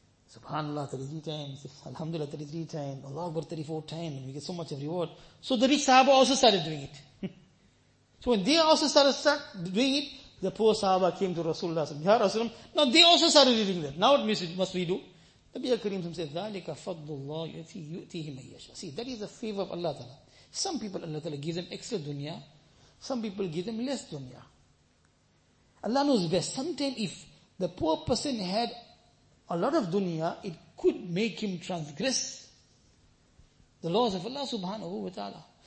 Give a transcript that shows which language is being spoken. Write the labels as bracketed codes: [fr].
[en] Subhanallah 33 times, alhamdulillah 33 times, Allah Akbar 34 times, and we get so much of reward. So the rich sahaba also started doing it. So when they also started doing it, the poor sahaba came to Rasulullah s.a.w. Ya Rasulullah, now they also started reading that. Now what must we do? [ar] Nabi Al-Kareem said, ذَلِكَ فَضُّ اللَّهِ يُؤْتِهِ مَنْ يَشَاءُ. [en] See, that is the favor of Allah Ta'ala. Some people Allah Ta'ala give them extra dunya, some people give them less dunya. Allah knows best. Sometimes if the poor person had a lot of dunya, it could make him transgress the laws of Allah subhanahu wa ta'ala.